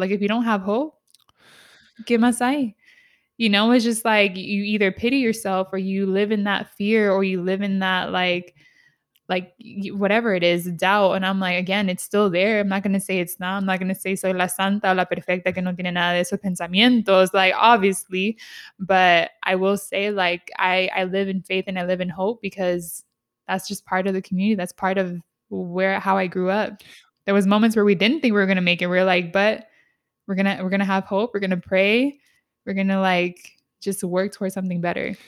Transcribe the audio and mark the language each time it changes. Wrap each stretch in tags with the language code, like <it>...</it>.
<en>Like, if you don't have hope,</en> <es>¿qué más hay?</es> <en>You know, it's just like you either pity yourself or you live in that fear or you live in that like whatever it is, doubt. And I'm like, again, it's still there. I'm not going to say it's not. I'm not going to say</en> <es>soy la santa o la perfecta que no tiene nada de esos pensamientos.</es> <en>Like, obviously. But I will say, like, I live in faith and I live in hope, because that's just part of the community. That's part of how I grew up. There was moments where we didn't think we were going to make it. We were like, but we're going to have hope. We're going to pray. We're going to like just work towards something better.</en>